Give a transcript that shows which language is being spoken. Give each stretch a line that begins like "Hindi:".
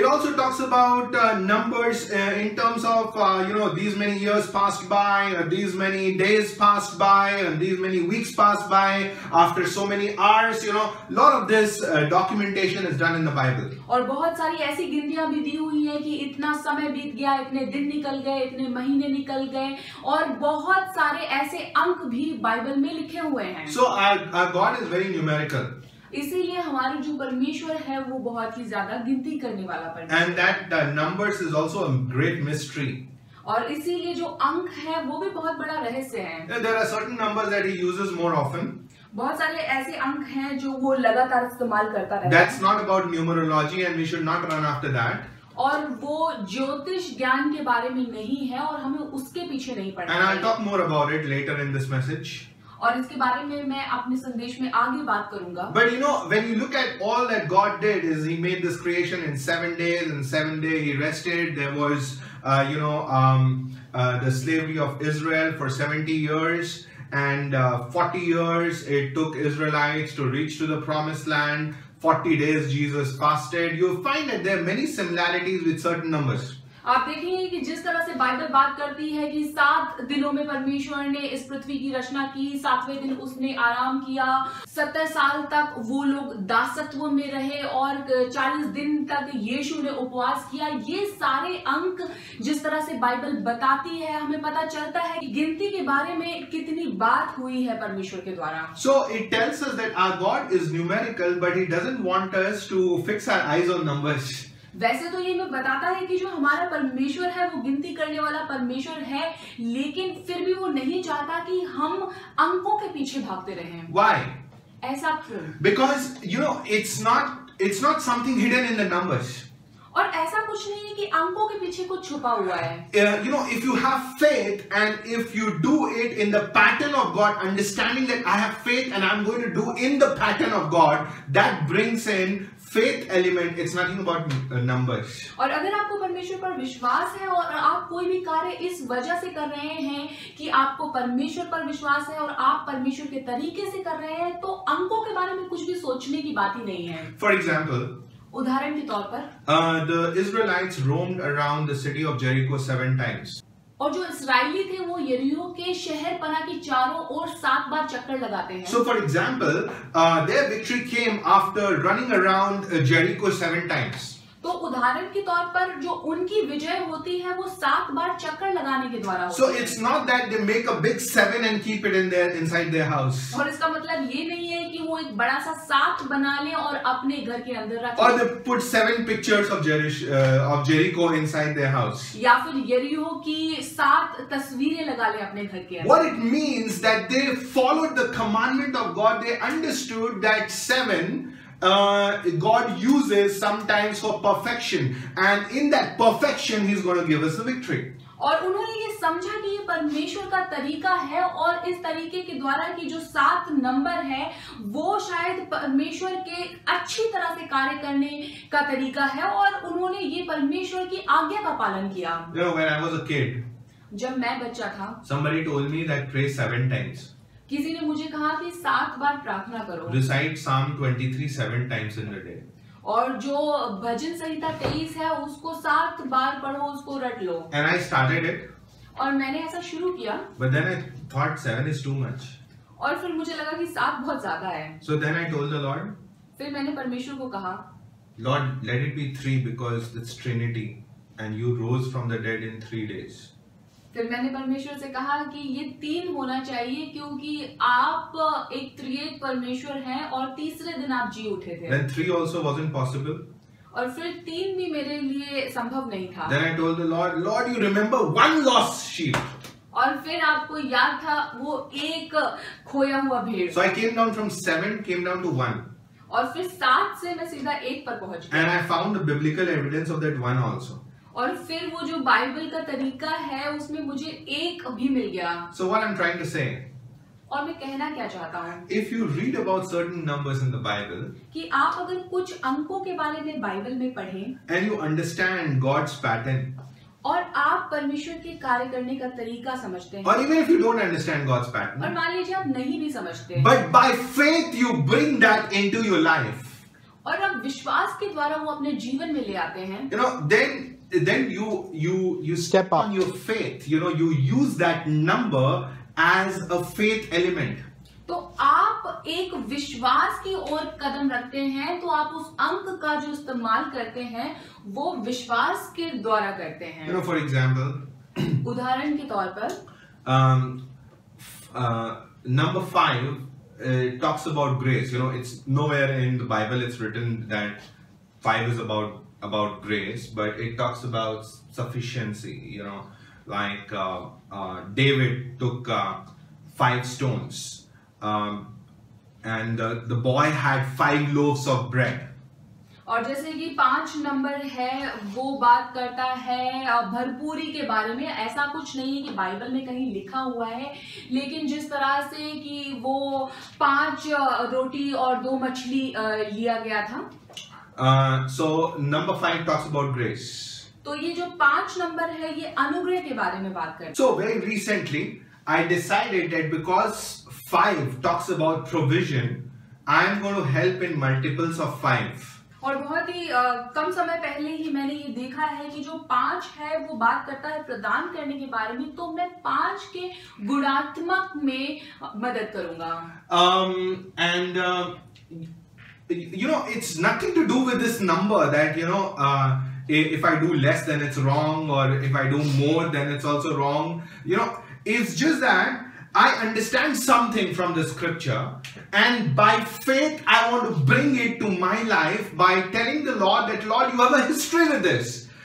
English: It also talks about numbers in terms of you know, these many years passed by, these many days passed by, and these many weeks passed by after so many hours. You know, lot of this documentation is done in the Bible.
Hindi: और बहुत सारी ऐसी गिनतियां भी दी हुई है कि इतना समय बीत गया, इतने दिन निकल गए, इतने महीने निकल गए, और बहुत सारे ऐसे अंक भी बाइबल में लिखे हुए हैं.
English: So our God is very numerical.
Hindi: इसीलिए हमारे जो परमेश्वर है वो बहुत ही ज्यादा गिनती करने वाला परमेश्वर.
English: And that the numbers is also a great mystery.
Hindi: और इसीलिए जो अंक है वो भी बहुत बड़ा रहस्य है.
English: There are certain numbers that he uses more often.
Hindi: बहुत सारे ऐसे अंक हैं जो वो लगातार इस्तेमाल करता रहता है.
English: That's not about numerology and we should not run after that.
Hindi: और वो ज्योतिष ज्ञान के बारे में नहीं है और हमें उसके पीछे नहीं पड़ना.
English: And I'll talk more about it later in this message.
Hindi: और इसके बारे में मैं अपने संदेश में आगे बात करूंगा.
English: But you know, when you look at all that God did is he made this creation in 7 days and 7 days he rested. There was the slavery of Israel for 70 years and 40 years it took Israelites to reach to the promised land. 40 days Jesus fasted. You find that there are many similarities with certain numbers.
Hindi: आप देखेंगे कि जिस तरह से Bible बात करती है कि 7 दिनों में परमेश्वर ने इस पृथ्वी की रचना की, 7वें दिन उसने आराम किया, 70 साल तक वो लोग दासत्व में रहे और 40 दिन तक यीशु ने उपवास किया. ये सारे अंक जिस तरह से बाइबल बताती है हमें पता चलता है कि गिनती के बारे में कितनी बात हुई है परमेश्वर के द्वारा.
English: So it tells us that our God is numerical, but he doesn't want us to fix our eyes on numbers.
Hindi: वैसे तो ये मैं बताता है कि जो हमारा परमेश्वर है वो गिनती करने वाला परमेश्वर है, लेकिन फिर भी वो नहीं चाहता कि हम अंकों के पीछे भागते रहें.
English: Why?
Hindi: ऐसा क्यों?
English: Because you know it's not something hidden in the numbers.
Hindi: और ऐसा कुछ नहीं है कि अंकों के पीछे कुछ छुपा हुआ है.
English: You know, if you have faith and if you do it in the pattern of God, understanding that I have faith and I'm going to do in the pattern of God, that brings in faith element. It's nothing about numbers.
Hindi: और अगर आपको परमेश्वर पर विश्वास है और आप कोई भी कार्य इस वजह से कर रहे हैं कि आपको परमेश्वर पर विश्वास है और आप परमेश्वर के तरीके से कर रहे हैं, तो अंकों के बारे में कुछ भी सोचने की बात ही नहीं है.
English: For example,
Hindi: उदाहरण के तौर पर,
English: the Israelites roamed around the city of Jericho 7 times.
Hindi: और जो इसराइली थे वो यरीहो के शहर पना की चारों ओर 7 बार चक्कर लगाते हैं.
English: So for example, their victory came after running around Jericho 7 times.
Hindi: तो उदाहरण के तौर पर जो उनकी विजय होती है वो 7 बार चक्कर लगाने के द्वारा होती है।
English: So it's not that they make a big 7 and keep it in there inside their house।
Hindi: और इसका मतलब ये नहीं है कि वो एक बड़ा सा 7 बना ले और अपने घर के अंदर रखे।
English: Or they put 7 pictures of Jericho inside their house।
Hindi: या फिर यरीहो की 7 तस्वीरें लगा ले अपने घर के अंदर।
English: What it means that they followed the commandment of God, they understood that 7 God uses sometimes for perfection, and in that perfection, He's going to give us a victory.
Hindi: और उन्होंने ये समझा कि ये परमेश्वर का तरीका है और इस तरीके के द्वारा कि जो 7 नंबर है वो शायद परमेश्वर के अच्छी तरह से कार्य करने का तरीका है और उन्होंने ये परमेश्वर की आज्ञा का पालन किया।
English: You know, when I was a kid,
Hindi: जब मैं बच्चा था,
English: somebody told me that pray 7 times.
Hindi: किसी ने मुझे कहा कि 7 बार प्रार्थना करो।
English: Recite Psalm 23 7 times in a day।
Hindi: और जो भजन संहिता 23 है उसको 7 बार पढ़ो, उसको रट लो।
English: And I started it।
Hindi: और मैंने ऐसा शुरू किया।
English: But then I thought 7 is too much।
Hindi: और फिर मुझे लगा कि 7 बहुत ज्यादा है।
English: So then I told the Lord।
Hindi: फिर मैंने परमेश्वर को कहा,
English: Lord, let it be 3 because it's Trinity and you rose from the dead in 3 days।
Hindi: फिर मैंने परमेश्वर से कहा कि ये 3 होना चाहिए क्योंकि आप एक त्रिएक परमेश्वर हैं और तीसरे दिन आप जी उठे थे।
English: Then 3 also wasn't possible।
Hindi: और फिर 3 भी मेरे लिए संभव नहीं था।
English: Then I told the Lord, Lord, you remember one lost sheep।
Hindi: और फिर आपको याद था वो एक खोया हुआ भेड़।
English: So I came down from 7, came down to 1।
Hindi: और फिर 7 से मैं सीधा 1 पर पहुंच गया।
English: And I found the biblical evidence of that one also।
Hindi: और फिर वो जो बाइबल का तरीका है उसमें मुझे 1 भी मिल गया।
English: So what I'm trying to say,
Hindi: और मैं कहना क्या चाहता हूँ,
English: if you read about certain numbers in the Bible,
Hindi: कि आप अगर कुछ अंकों के बारे में बाइबल में पढ़ें,
English: and you understand God's pattern,
Hindi: और आप परमेश्वर के कार्य करने का तरीका समझते हैं,
English: or even if you don't understand God's pattern,
Hindi: और मान लीजिए आप नहीं भी समझते,
English: but by faith you bring that into your life,
Hindi: और आप विश्वास के द्वारा वो अपने जीवन में ले आते हैं,
English: you know, then you step on your faith, you know, you use that number as a faith element.
Hindi: तो आप एक विश्वास की ओर कदम रखते हैं, तो आप उस अंक का जो इस्तेमाल करते हैं वो विश्वास के द्वारा करते हैं.
English: You know, for example,
Hindi: उदाहरण के तौर पर
English: number 5 talks about grace. You know, it's nowhere in the Bible it's written that 5 is about grace, but it talks about sufficiency, you know, like David took 5 stones and the boy had 5 loaves of bread.
Hindi: और जैसे कि 5 number है वो बात करता है भरपूरी के बारे में. ऐसा कुछ नहीं है कि बाइबल में कहीं लिखा हुआ है, लेकिन जिस तरह से कि वो 5 रोटी और 2 मछली लिया गया था.
English: So number 5 talks about grace.
Hindi: तो ये जो 5 नंबर है ये अनुग्रह के बारे में बात करता है.
English: So very recently I decided that because 5 talks about provision, I am going to help in multiples of 5.
Hindi: और बहुत ही कम समय पहले ही मैंने ये देखा है कि जो 5 है वो बात करता है प्रदान करने के बारे में, तो मैं 5 के गुणात्मक में मदद करूंगा.
English: You know, it's nothing to do with this number that, you know, if I do less then it's wrong, or if I do more then it's also wrong. You know, it's just that I understand something from the scripture and by faith I want to bring it to my life by telling the Lord that, Lord, you have a history with this.